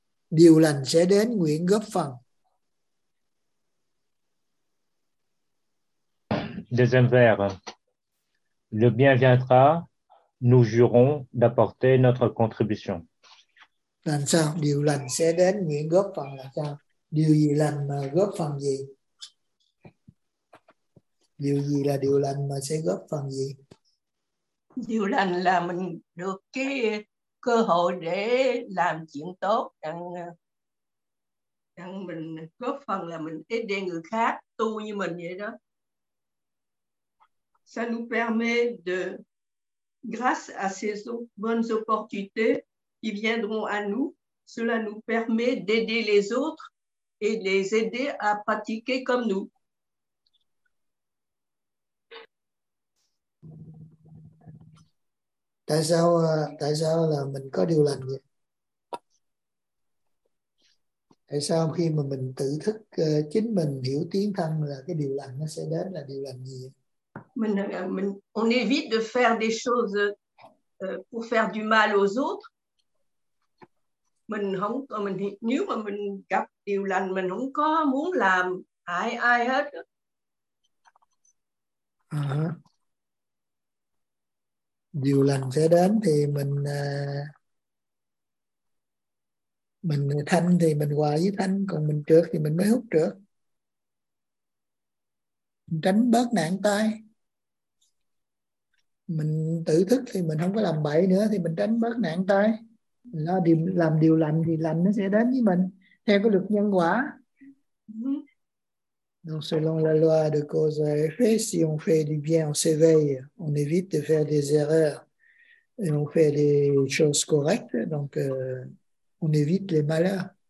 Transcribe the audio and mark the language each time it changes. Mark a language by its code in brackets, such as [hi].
[vi] Điều lành sẽ đến, nguyện góp phần. [fr] Deuxième vers. Le bien viendra, nous jurons d'apporter notre contribution. [vi] Làm sao? Điều lành sẽ đến, nguyện góp phần là sao? Điều gì lành mà góp phần gì? Điều gì là điều lành mà sẽ góp phần gì? Điều lành là mình được cái cơ hội để làm chuyện tốt, đặng mình góp phần là mình ít để người khác tu như mình vậy đó. [fr] Ça nous permet de, grâce à ces bonnes opportunités qui viendront à nous, cela nous permet d'aider les autres et les aider à pratiquer comme nous. [vi] Tại sao là mình có điều lành vậy? Tại sao khi mà mình tự thức chính mình hiểu tiếng thân là cái điều lành nó sẽ đến là điều lành gì? Mình [fr] on évite de faire des choses pour faire du mal aux autres. [vi] Mình nếu mà mình gặp điều lành mình không có muốn làm ai hết. Điều lành sẽ đến thì mình thanh thì mình hòa với thanh, còn mình trượt thì mình mới hút trượt, mình tránh bớt nạn tai. Mình tự thức thì mình không có làm bậy nữa, thì mình tránh bớt nạn tai. Nó làm điều lành thì lành nó sẽ đến với mình theo cái luật nhân quả. [fr] Donc selon la loi de cause à effet, si on fait du bien, on s'éveille, on évite de faire des erreurs et on fait les choses correctes, donc on évite les malheurs.